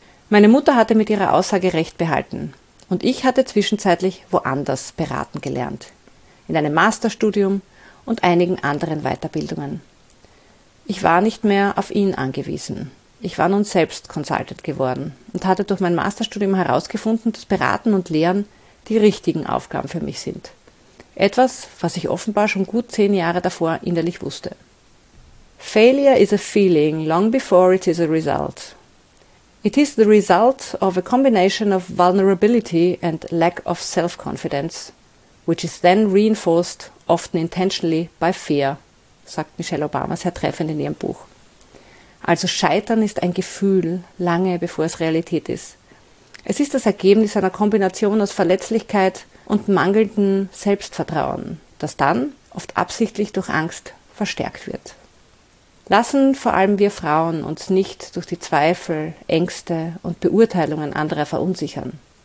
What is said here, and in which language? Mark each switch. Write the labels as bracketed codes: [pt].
[de] Meine Mutter hatte mit ihrer Aussage recht behalten und ich hatte zwischenzeitlich woanders beraten gelernt, in einem Masterstudium und einigen anderen Weiterbildungen. Ich war nicht mehr auf ihn angewiesen. Ich war nun selbst Consultant geworden und hatte durch mein Masterstudium herausgefunden, dass Beraten und Lehren die richtigen Aufgaben für mich sind. Etwas, was ich offenbar schon gut 10 Jahre davor innerlich wusste. [en] Failure is a feeling long before it is a result. It is the result of a combination of vulnerability and lack of self-confidence, which is then reinforced, often intentionally, by fear, [de] sagt Michelle Obama sehr treffend in ihrem Buch. Also Scheitern ist ein Gefühl, lange bevor es Realität ist. Es ist das Ergebnis einer Kombination aus Verletzlichkeit und mangelndem Selbstvertrauen, das dann oft absichtlich durch Angst verstärkt wird. Lassen vor allem wir Frauen uns nicht durch die Zweifel, Ängste und Beurteilungen anderer verunsichern.